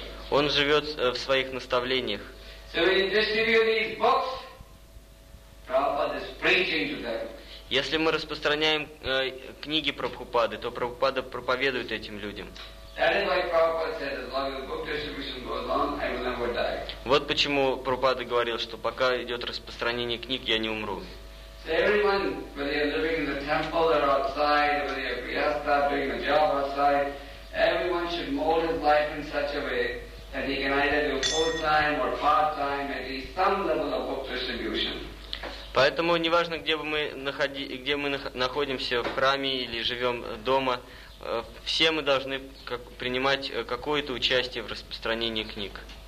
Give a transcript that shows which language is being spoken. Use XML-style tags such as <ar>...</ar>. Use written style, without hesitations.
<ru>Он живет в своих наставлениях.</ru> <en>So when you distribute these books, Prabhupada is preaching to them.</en> <ru>Если мы распространяем книги Прабхупады, то Прабхупада проповедует этим людям.</ru> <en>That is why Prabhupada said, as long as book distribution goes on, I will never die.</en> <ru>Вот почему Прабхупада говорил, что пока идет распространение книг, я не умру.</ru> <en>So everyone, whether you're living in the temple or outside, whether you're Vyasa doing a job outside, everyone should mold his life in such a way that he can either do full-time or part-time, at least some level of book distribution.</en> <ru>Поэтому неважно, где мы находимся, в храме или живем дома, все мы должны принимать какое-то участие в распространении книг.</ru>